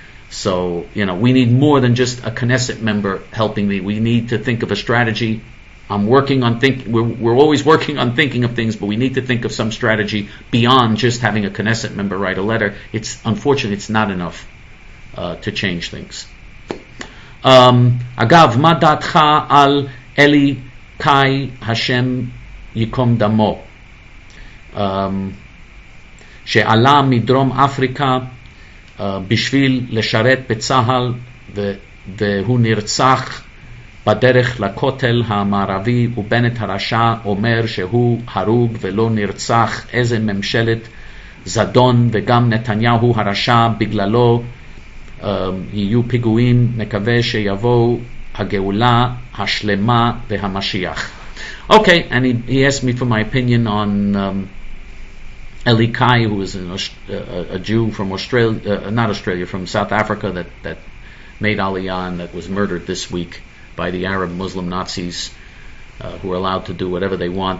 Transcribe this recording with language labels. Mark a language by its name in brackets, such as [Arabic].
[English] So, you know, we need more than just a Knesset member helping me. We need to think of a strategy. We're always working on thinking of things, but we need to think of some strategy beyond just having a Knesset member write a letter. Unfortunately, it's not enough to change things. [Hebrew] אגב, מה דעתך על אלי קאי, השם יקום דמו, שעלה מדרום אפריקה בשביל לשרת בצהל והוא נרצח בדרך לכותל המערבי, ובנט הרשע אומר שהוא הרוג ולא נרצח. איזה ממשלת זדון, וגם נתניהו הרשע, בגללו יהיו פיגועים. מקווה שיבוא הגאולה השלמה והמשיח. [English] Okay, and he asked me for my opinion on Eli Kai, who is a Jew from Australia, not Australia, from South Africa, that made Aliyah and that was murdered this week by the Arab Muslim Nazis, who are allowed to do whatever they want.